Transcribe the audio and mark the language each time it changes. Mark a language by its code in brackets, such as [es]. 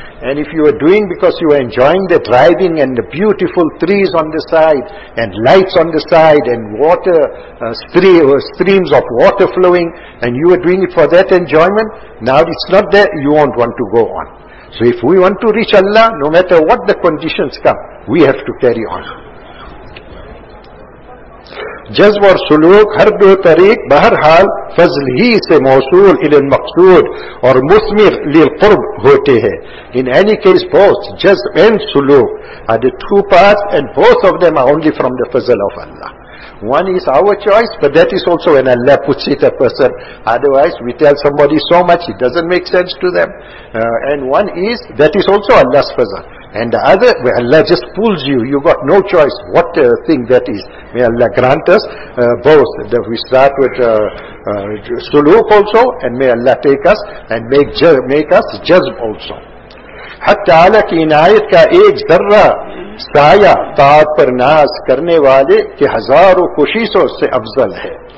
[en] And if you are doing because you are enjoying the driving and the beautiful trees on the side, and lights on the side, and water, streams of water flowing, and you are doing it for that enjoyment, now it's not there, you won't want to go on. So if we want to reach Allah, no matter what the conditions come, we have to carry on. [ur] جذب اور سلوک ہر دو طریق بہرحال فضل ہی سے موصول الی المقصود اور مثمر للقرب ہوتے ہیں. [en] In any case, both جذب and سلوک are the two paths, and both of them are only from the fazl of Allah. One is our choice, but that is also when Allah puts it a person. Otherwise, we tell somebody so much, it doesn't make sense to them. And one is, that is also Allah's fazl. And the other, where Allah just pulls you, you got no choice. What thing that is? May Allah grant us both. We start with suluk also, and may Allah take us, and make us jazb also. [ur] حتی اعلیٰ کی عنایت کا ایک ذرہ سایہ طاعت پر ناز کرنے والے کے ہزاروں کوششوں سے افضل ہے.